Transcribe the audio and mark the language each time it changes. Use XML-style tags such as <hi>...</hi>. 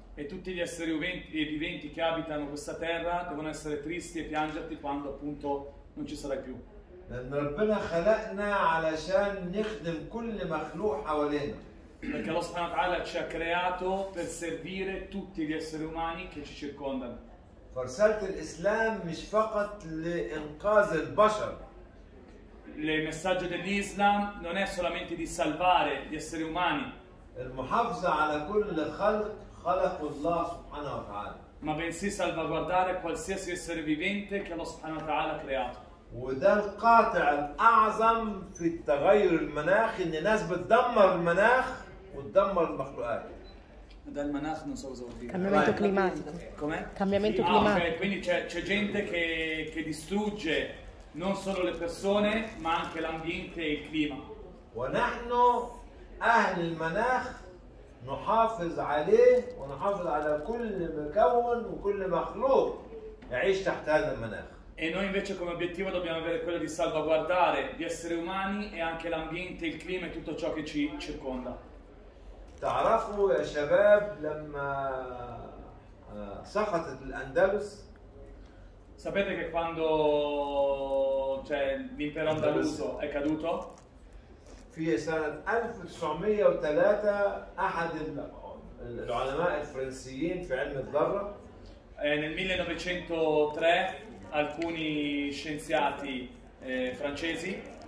<it>E tutti gli esseri viventi che abitano questa terra devono essere tristi e piangerti quando appunto non ci sarai più.</it> <ar>لأن ربنا خلقنا علشان نخدم كل مخلوق حوالينا.</ar> <it>Perché Allah</it> <ar>subhanahu wa ta'ala</ar> <it>ci ha creato per servire tutti gli esseri umani che ci circondano.</it> <ar>فرسالة الإسلام مش فقط لإنقاذ البشر.</ar> <it>Il messaggio dell'Islam non è solamente di salvare gli esseri umani.</it> <ar>المحافظة على كل خلق خلق الله سبحانه وتعالى.</ar> <it>Ma bensì salvaguardare qualsiasi essere vivente che Allah</it> <ar>subhanahu wa ta'ala</ar> <it>ha creato.</it> <ar>وده القاطع الأعظم في التغير المناخي، إن الناس بتدمر المناخ وتدمر المخلوقات. ده المناخ من صوت زوجي.</ar> <it>Cambiamento climatico. Come? Cambiamento climatico. Ah, okay. Quindi c'è gente che distrugge non solo le persone ma anche l'ambiente e il clima.</it> <ar>ونحن أهل المناخ نحافظ عليه ونحافظ على كل مكون وكل مخلوق يعيش تحت هذا المناخ.</ar> <it>E noi invece come obiettivo dobbiamo avere quello di salvaguardare gli esseri umani e anche l'ambiente, il clima e tutto ciò che ci circonda.</it> <ar>تعرفوا يا شباب لما سقطت الأندلس؟</ar> <it>Sapete che quando cioè l'impero andaluso è caduto?</it> <ar>في سنة 1903 أحد العلماء الفرنسيين في علم الذرة.</ar> <it>Nel 1903 alcuni scienziati francesi</it>